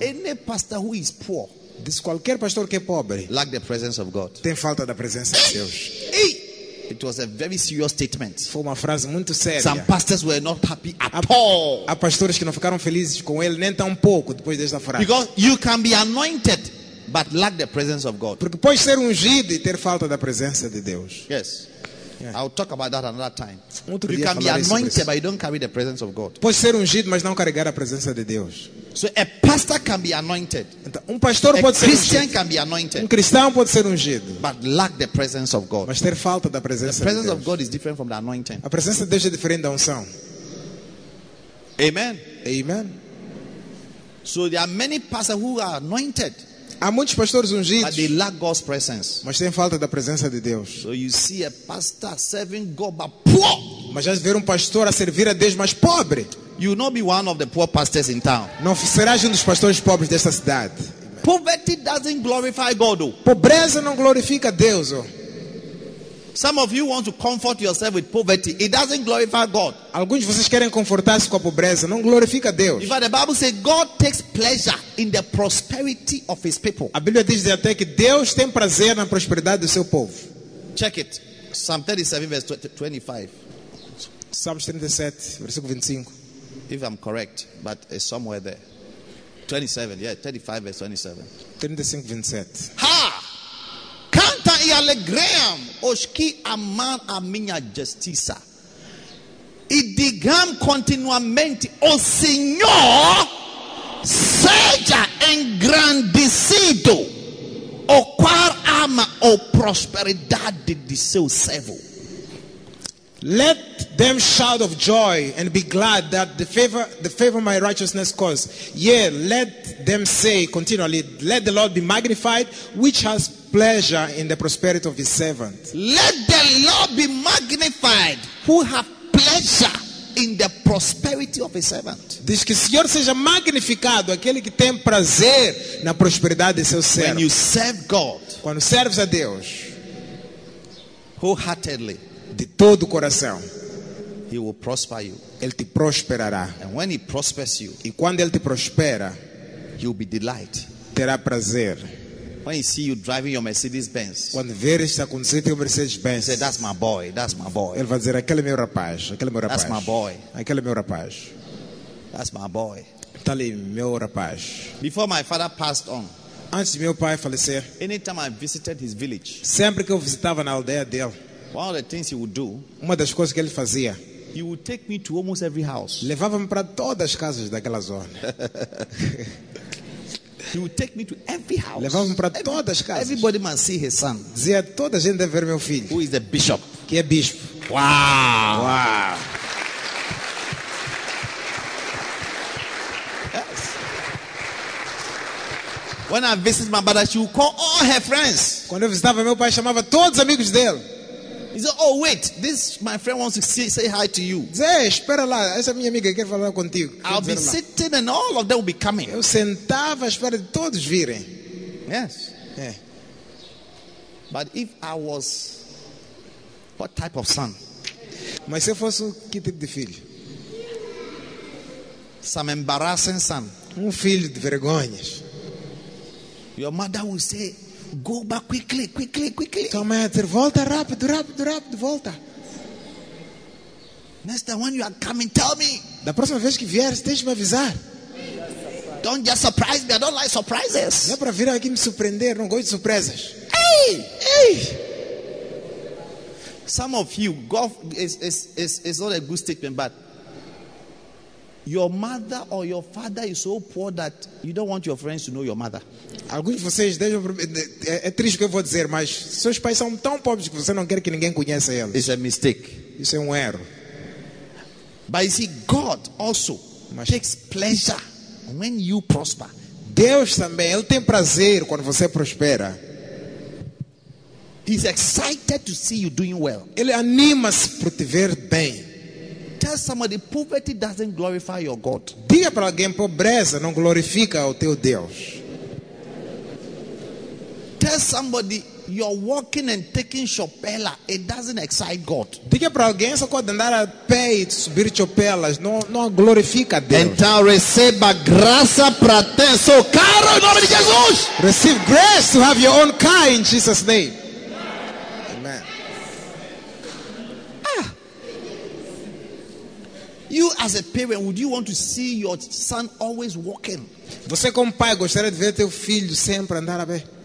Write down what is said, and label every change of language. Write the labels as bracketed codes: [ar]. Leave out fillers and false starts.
[en] Any pastor who is poor. [pt] Diz qualquer pastor que é pobre. [en] Lack the presence of God. [pt] Tem falta da presença de Deus. [en] Hey! It was a very serious statement. [pt] Foi uma frase muito séria. [en] Some pastors were not happy at all. [pt] Há pastores que não ficaram felizes com ele nem tão pouco depois desta frase. [en] Because you can be anointed but lack the presence of God. [pt] Porque pode ser ungido e ter falta da presença de Deus. [en] Yes. Yeah. I'll talk about that another time. [pt] Outro [en] you can be anointed but you don't carry the presence of God. [pt] Pode ser ungido mas não carregar a presença de Deus. [en] So a pastor can be anointed. [pt] Então, pastor a pode [en] Christian [pt] ser ungido. [en] Can be anointed. [pt] Cristão pode ser ungido. [en] But lack the presence of God. [pt] Mas ter falta da presença [en] the presence [pt] de Deus. [en] Of God is different from the anointing. [pt] A presença de Deus é diferente da unção. [en] Amen. [pt] Amen. [en] So there are many pastors who are anointed. [pt] Há muitos pastores ungidos, [en] but they lack God's presence. [pt] Mas têm falta da presença de Deus. [en] So you see a pastor serving God but poor. [pt] Mas já ver pastor a servir a Deus mas pobre. [en] You will not be one of the poor pastors in town. [pt] Não serás dos pastores pobres desta cidade. [en] Poverty doesn't glorify God. Oh. [pt] Pobreza não glorifica Deus. Oh. [en] Some of you want to comfort yourself with poverty. It doesn't glorify God. [pt] Alguns de vocês querem confortar-se com a pobreza. Não glorifica Deus. [en] In fact, the Bible says God takes pleasure in the prosperity of his people. [pt] A Bíblia diz até que Deus tem prazer na prosperidade do seu povo. [en] Check it. Psalm 37, verse 25. [pt] Psalm 37, versículo 25. [en] If I'm correct, but it's somewhere there. 27, yeah, 35 verse 27. 35 Vincent. Ha! [pt] Canta e alegram, oski aman a minha justiça. E digam continuamente, o Senhor seja engrandecido, o qual ama o prosperidade de seu servo. [en] Let them shout of joy and be glad that the favor my righteousness cause. Yea, let them say continually, let the Lord be magnified, which has pleasure in the prosperity of his servant. Let the Lord be magnified, who have pleasure in the prosperity of his servant. [pt] Diz que o Senhor seja magnificado, aquele que tem prazer na prosperidade de seu servo. [en] When you serve God, [pt] quando serves a Deus, [en] wholeheartedly, [pt] de todo o coração, [en] he will prosper you. [pt] Ele te prosperará. [en] And when he prospers you, [pt] e quando ele te prospera, [en] you will be delight. [pt] Terá prazer. [en] When he see you driving your Mercedes Benz, [pt] quando ver este a conduzir teu Mercedes Benz, [en] say that's my boy, that's my boy. [pt] Ele vai dizer aquele meu rapaz, aquele meu rapaz. [en] That's my boy, [pt] aquele meu rapaz. [en] That's my boy. [pt] Tá ali meu rapaz. [en] Before my father passed on, [pt] antes de meu pai falecer, [en] anytime I visited his village, [pt] sempre que eu visitava na aldeia dele. [en] One of the things he would do, [pt] uma das coisas que ele fazia, [en] he would take me to almost every house. [pt] Levava-me para todas as casas daquela zona. [en] He would take me to every house. [pt] Levava-me para todas as casas. [en] Everybody must see his son. [pt] Dizia, toda a gente deve ver meu filho. [en] Who is the bishop? [pt] Que é bispo. Wow. Wow. [en] Yes. When I visit my mother, she would call all her friends. [pt] Quando eu visitava meu pai, chamava todos os amigos dele. [en] He said, oh wait, this my friend wants to say hi to you. [pt] Hey, espera lá, essa minha amiga quer falar contigo. [en] I'll be sitting and all of them will be coming. [pt] Eu sentava, espera de todos virem. [en] Yes. Yeah. But if I was, what type of son? [pt] Mas se eu fosse que tipo de filho? [en] Some embarrassing son. [pt] Filho de vergonhas. [en] Your mother will say, go back quickly, quickly, quickly. [pt] Tua mãe dizer, volta rápido, rápido, rápido, volta. [en] Next time when you are coming, tell me. [pt] Da próxima vez que vieres, deixe-me avisar. [en] Don't just surprise me, I don't like surprises. [pt] Não é para vir aqui me surpreender, não gosto de surpresas. Ei! Ei! [en] Some of you, golf is not a good statement, but Your mother or your father is so poor that you don't want your friends to know your mother. [pt] Alguns de vocês, é triste o que eu vou dizer, mas seus pais são tão pobres que você não quer que ninguém conheça eles. [en] It's a mistake. [pt] Isso é erro. [en] But you see, God also takes pleasure when you prosper. [pt] Deus também, ele tem prazer quando você prospera. [en] He's excited to see you doing well. [pt] Ele anima-se por te ver bem. [en] Tell somebody, poverty doesn't glorify your God. [pt] Diga para alguém, pobreza não glorifica o teu Deus. [en] Tell somebody, you're walking and taking chapela, it doesn't excite God. [pt] Diga para alguém, só quando andar a pé e subir chapelas, não glorifica Deus. Então receba graça para ter seu carro em nome de Jesus. [en] Receive grace to have your own car in Jesus' name. You as a parent, would you want to see your son always walking? [pt] Você como pai gostaria de ver teu filho sempre andar a pé?